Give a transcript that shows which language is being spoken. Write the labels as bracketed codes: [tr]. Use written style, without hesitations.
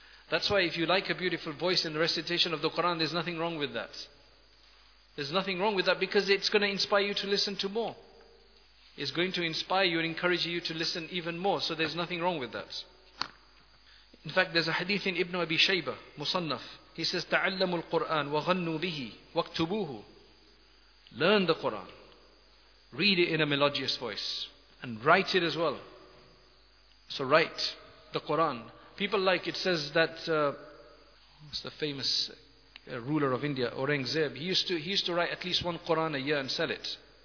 [en] That's why if you like a beautiful voice in the recitation of the Quran, there's nothing wrong with that. There's nothing wrong with that, because it's going to inspire you to listen to more. It's going to inspire you and encourage you to listen even more. So there's nothing wrong with that. In fact, there's a hadith in Ibn Abi Shayba, Musannaf. He says, [ar] تَعَلَّمُوا الْقُرْآنَ وَغَنُّوا بِهِ وَاكْتُبُوهُ. [en] Learn the Quran. Read it in a melodious voice. And write it as well. So write the Quran. People like, it says that, what's the famous ruler of India, Aurangzeb, he used to write at least one Quran a year and sell it.